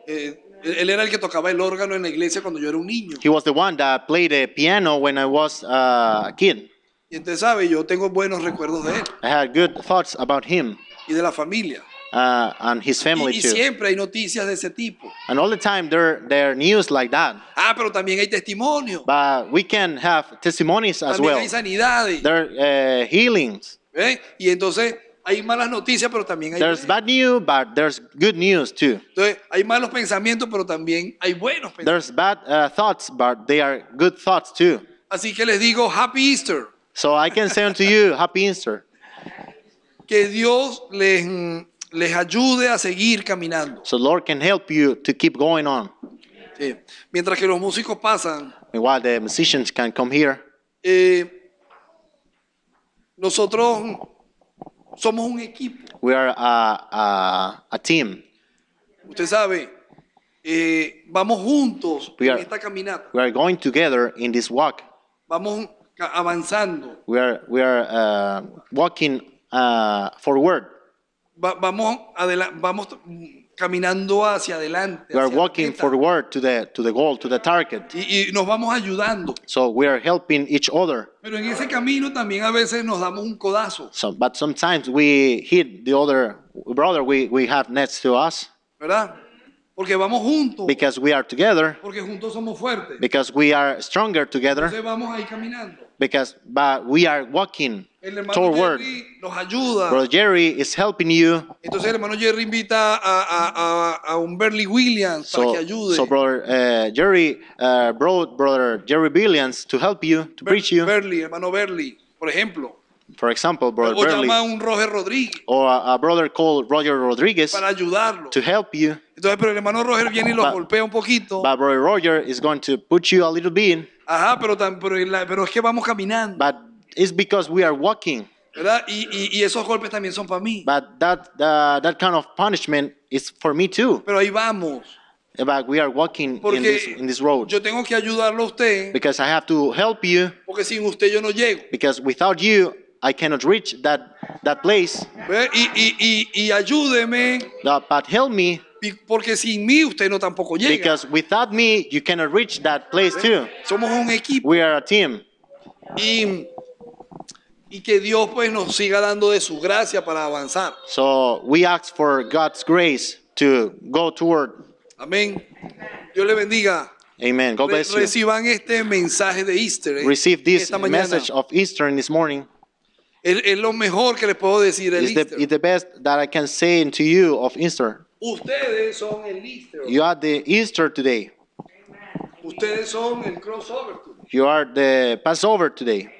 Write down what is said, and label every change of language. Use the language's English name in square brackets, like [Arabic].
[Spanish] Él era el que tocaba el órgano en la iglesia cuando yo era un niño. [English] He was the one that played the piano when I was a kid. [Spanish] Y usted sabe, yo tengo buenos recuerdos de él. [English] I had good thoughts about him. [Spanish] Y de la familia. [English] And his family [Spanish] too. Y siempre hay noticias de ese tipo. [English] And all the time there are news like that. [Spanish] Ah, pero también hay testimonio. [English] But we can have testimonies as well. [Spanish] También hay sanidades. [English] There are healings. [Spanish] Y entonces hay malas noticias, pero también hay [English] There's bad news, but there's good news too. [Spanish] Entonces, hay malos pensamientos, pero también hay buenos pensamientos. [English] There's bad thoughts, but they are good thoughts too. [Spanish] Así que les digo, [English] Happy Easter. So I can say unto you, Happy Easter. [Spanish] Que Dios les ayude a seguir caminando. [English] So Lord can help you to keep going on. [Spanish] Sí. Mientras que los músicos pasan. [English] While the musicians can come here. [Spanish] Nosotros somos un equipo. [English] We are a team. [Spanish] Usted sabe, vamos juntos en esta caminata. [English] We are going together in this walk. [Spanish] Vamos avanzando. [English] We are walking forward. [Spanish] Vamos caminando hacia adelante. [English] We are walking forward to the goal, to the target. [Spanish] Y nos vamos ayudando. [English] So we are helping each other. [Spanish] Pero en ese camino también a veces nos damos un codazo. [English] So, but sometimes we hit the other brother we have next to us. [Spanish] ¿Verdad? Porque vamos juntos. [English] Because we are together. [Spanish] Porque juntos somos fuertes. [English] Because we are stronger together. [Spanish] Entonces vamos ahí caminando. [English] But we are walking [Spanish] el hermano [English] toward. [Spanish] Jerry nos ayuda. [English] Brother Jerry is helping you. [Spanish] Entonces el hermano Jerry invita a un Berly Williams [English] so, [Spanish] para que ayude. [English] So brother Jerry brought brother Jerry Williams to help you to preach you. [Spanish] Berly, hermano Berly, por ejemplo. [English] For example, brother [Spanish] o Berly. O llama a un Roger Rodríguez. [English] Or a brother called Roger Rodriguez. [Spanish] Para ayudarlo. [English] To help you. [Spanish] Entonces, pero el hermano Roger viene y lo golpea un poquito. [English] But brother Roger is going to put you a little bit. [Spanish] Ajá, pero es que vamos caminando. [English] But it's because we are walking. [Spanish] ¿Verdad? Y esos golpes también son para mí. [English] But that kind of punishment is for me too. [Spanish] Pero ahí vamos. [English] But we are walking in this road. [Spanish] Yo tengo que ayudarlo a usted. [English] Because I have to help you. [Spanish] Porque sin usted yo no llego. [English] Because without you, I cannot reach that place. [Spanish] Y ayúdeme. [English] But help me. [Spanish] Porque sin mí usted no tampoco llega. [English] Because without me you cannot reach that place too. [Spanish] Somos un equipo. [English] We are a team. [Spanish] Y que Dios pues nos siga dando de su gracia para avanzar. [English] So we ask for God's grace to go toward. [Spanish] Amén. Dios le bendiga. [English] Amen. God bless you. [Spanish] Reciban este mensaje de Easter. [English] Receive this message of Easter in this morning. [Spanish] Es lo mejor que les puedo decir el Easter. [English] It's the best that I can say to you of Easter. [Spanish] Ustedes son el Easter. [English] You are the Easter today. [Spanish] Amen. Ustedes son el [English] crossover today. You are the Passover today.